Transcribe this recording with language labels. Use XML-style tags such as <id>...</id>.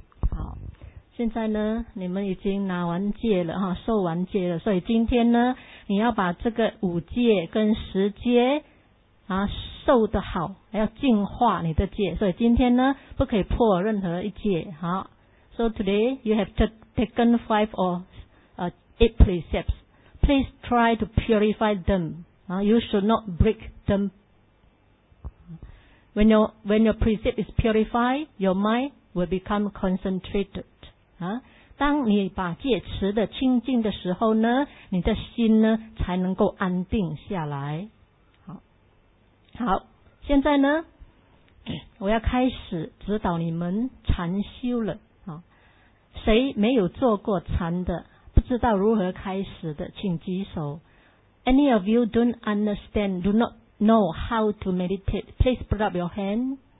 <zh>好，现在呢，你们已经拿完戒了哈，受完戒了，所以今天呢，你要把这个五戒跟十戒啊受得好，要净化你的戒，所以今天呢，不可以破任何一戒。好</zh> <en>，So today you have taken five or eight precepts. Please try to purify them. You should not break them. When your precept is purified, your mind will become concentrated.</en> <zh>当你把戒持得清净的时候呢，你的心呢才能够安定下来。好，现在呢，我要开始指导你们禅修了。谁没有做过禅的？不知道如何开始的，请举手。</zh> <en>Any of you don't understand, do not know how to meditate, please put up your hand.</en>